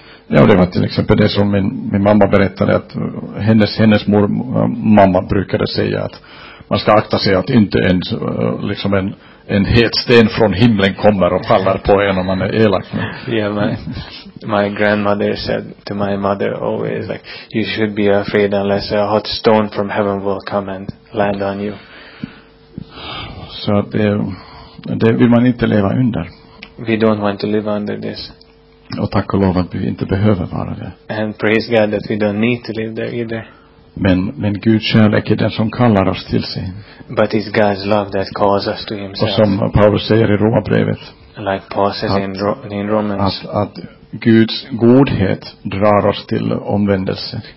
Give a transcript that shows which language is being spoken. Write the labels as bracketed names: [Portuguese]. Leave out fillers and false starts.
[Swedish] Ja, det var till exempel det som min mamma berättade, att hennes mor mamma brukade säga att man ska akta sig att inte ens liksom en het sten från himlen kommer och faller på en om man är elak. [English] Yeah, my grandmother said to my mother always, like, you should be afraid unless a hot stone from heaven will come and land on you. [Swedish] Så att det vill man inte leva under. [English] We don't want to live under this. [Swedish] Och tack och lov att vi inte behöver vara det. [English] And praise God that we don't need to live there either. [Swedish] Men Guds kärlek är den som kallar oss till sig. [English] But it's God's love that calls us to himself. [Swedish] Och som Paulus säger i Romarbrevet. [English] Like Paul says in Romans. [Swedish] Att Guds godhet drar oss till omvändelse.